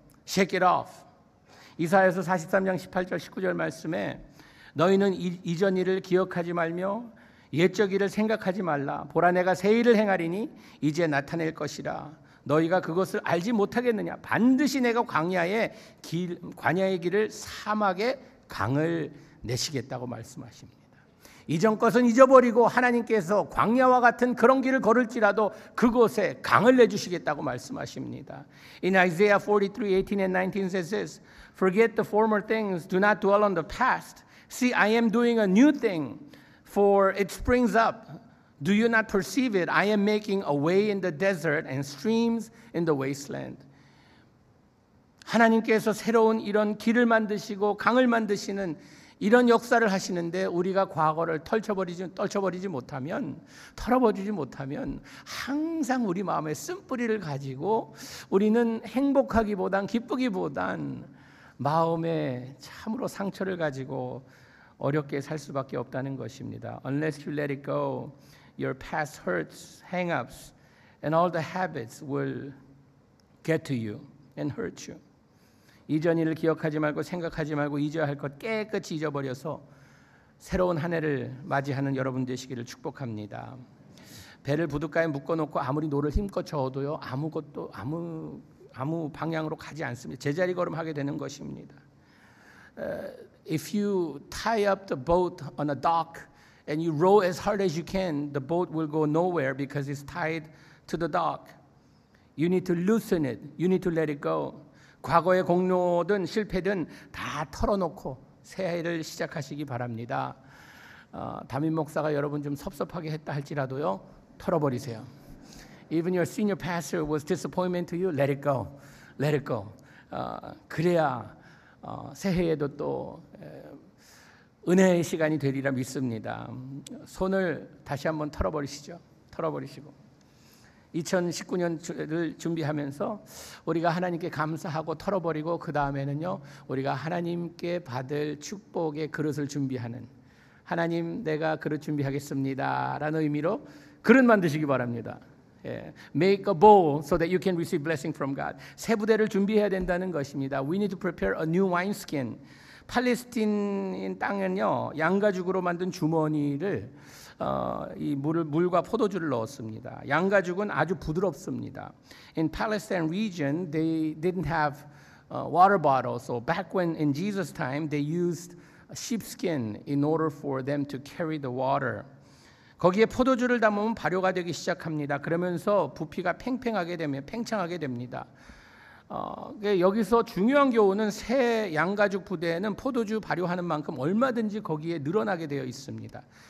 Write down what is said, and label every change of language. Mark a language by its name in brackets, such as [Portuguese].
[English] Shake it off. [Korean] 이사야서 43장 18절 19절 말씀에 너희는 이전 일을 기억하지 말며 옛적 일을 생각하지 말라. 보라 내가 새 일을 행하리니 이제 나타낼 것이라. 너희가 그것을 알지 못하겠느냐. 반드시 내가 광야의 길을 사막의 강을 내시겠다고 말씀하십니다. 이전 것은 잊어버리고 하나님께서 광야와 같은 그런 길을 걸을지라도 그곳에 강을 내주시겠다고 말씀하십니다. [English] In Isaiah 43, 18 and 19 says this, Forget the former things, do not dwell on the past. See, I am doing a new thing, for it springs up. Do you not perceive it? I am making a way in the desert and streams in the wasteland. [Korean] 하나님께서 새로운 이런 길을 만드시고 강을 만드시는 이런 역사를 하시는데 우리가 과거를 떨쳐버리지 못하면 털어버리지 못하면 항상 우리 마음에 쓴뿌리를 가지고 우리는 행복하기보단 기쁘기보단 마음에 참으로 상처를 가지고 어렵게 살 수밖에 없다는 것입니다. [English] Unless you let it go, your past hurts, hang-ups, and all the habits will get to you and hurt you. [Korean] 이전 일을 기억하지 말고 생각하지 말고 잊어야 할 것 깨끗이 잊어버려서 새로운 한 해를 맞이하는 여러분 되시기를 축복합니다. 배를 부둣가에 묶어놓고 아무리 노를 힘껏 저어도요 아무 방향으로 가지 않습니다. 제자리 걸음하게 되는 것입니다. [English] If you tie up the boat on a dock and you row as hard as you can, the boat will go nowhere because it's tied to the dock. You need to loosen it. You need to let it go. [Korean] 과거의 공로든 실패든 다 털어놓고 새해를 시작하시기 바랍니다. 담임 목사가 여러분 좀 섭섭하게 했다 할지라도요, 털어버리세요. [English] Even your senior pastor was disappointment to you, let it go, let it go. [Korean] 그래야 새해에도 또 은혜의 시간이 되리라 믿습니다. 손을 다시 한번 털어버리시죠. 털어버리시고. 2019년을 준비하면서 우리가 하나님께 감사하고 털어버리고 그 다음에는요 우리가 하나님께 받을 축복의 그릇을 준비하는 하나님 내가 그릇 준비하겠습니다 라는 의미로 그릇 만드시기 바랍니다. [English] Make a bowl so that you can receive blessing from God. [Korean] 새 부대를 준비해야 된다는 것입니다. [English] We need to prepare a new wineskin. [Korean] 팔레스틴 땅은요 양가죽으로 만든 주머니를 이 물과 포도주를 넣었습니다. 양가죽은 아주 부드럽습니다. [English] In Palestine region, they didn't have water bottles. So back when in Jesus' time, they used sheepskin in order for them to carry the water. [Korean] 거기에 포도주를 담으면 발효가 되기 시작합니다. 그러면서 부피가 팽팽하게 되면 팽창하게 됩니다. 여기서 중요한 교훈은 새 양가죽 부대에는 포도주 발효하는 만큼 얼마든지 거기에 늘어나게 되어 있습니다.